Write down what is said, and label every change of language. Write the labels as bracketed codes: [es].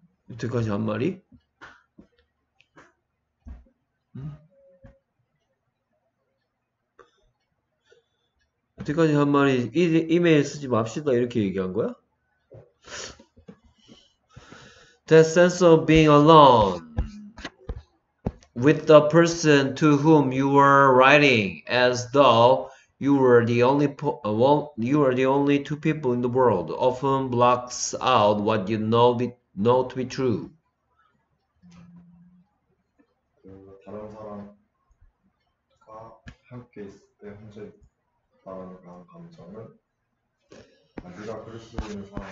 [ko] 여태까지 한 말이? 여태까지 한 말이 이메일 쓰지 맙시다 이렇게 얘기한 거야? [en] That sense of being alone with the person to whom you were writing as though you are the only two people in the world. Often blocks out what you know, know to be true. [ko] 다른 사람과 함께 있을 때 혼자 있다는 감정은 네가 그럴 수 있는